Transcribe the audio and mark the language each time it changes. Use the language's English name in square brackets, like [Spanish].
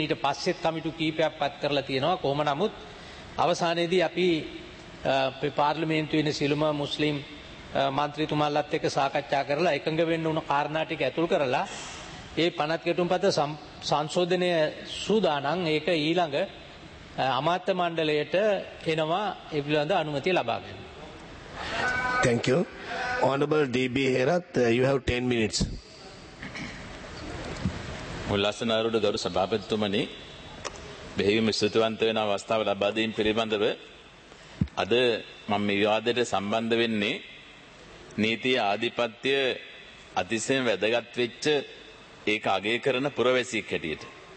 [Sinhala] ඊට පස්සෙත් කමිටු කීපයක් පත් කරලා තියෙනවා. කොහොම නමුත් අවසානයේදී අපි පාර්ලිමේන්තුවේ ඉන්න සියලුම මුස්ලිම් මන්ත්‍රීතුමාලත් එක්ක සාකච්ඡා කරලා එකඟ වෙන්න උණු කාරණා ටික ඇතුල් කරලා ඒ පනත් ගැටුම්පත සංශෝධනය සූදානම් ඒක ඊළඟ අමාත්‍ය මණ්ඩලයට එනවා ඒ පිළිබඳ අනුමැතිය ලබා ගන්න. [English] Thank you. Honorable DB Herat, you have 10 minutes. [Sinhala] මුලසනාරුඩ ගරු සභාපතිතුමනි බෙහෙවින් ස්තුතිවන්ත වෙන අවස්ථාව ලබා දීම පිළිබඳව අද මම මේ විවාදයට සම්බන්ධ වෙන්නේ නීතිය ආධිපත්‍ය අතිශයින් වැදගත් වෙච්ච ඒක අගය කරන පුරවැසියෙක් හැටියට.